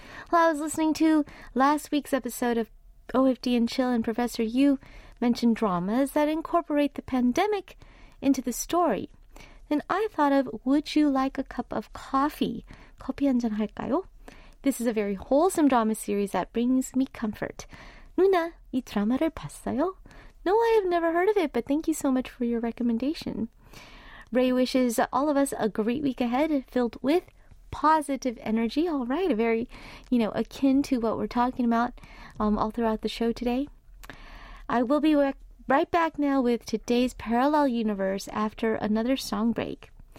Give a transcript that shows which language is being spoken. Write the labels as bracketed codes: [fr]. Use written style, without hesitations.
[en] Well, I was listening to last week's episode of OFD and Chill, and Professor Yu mentioned dramas that incorporate the pandemic into the story. Then I thought of Would You Like a Cup of Coffee? [ko] 커피 한잔 할까요? [en] This is a very wholesome drama series that brings me comfort. [ko] 누나, 이 드라마를 봤어요? [en] No, I have never heard of it, but thank you so much for your recommendation. Ray wishes all of us a great week ahead filled with positive energy. All right, very, you know, akin to what we're talking about all throughout the show today. I will be right back now with today's Parallel Universe after another song break.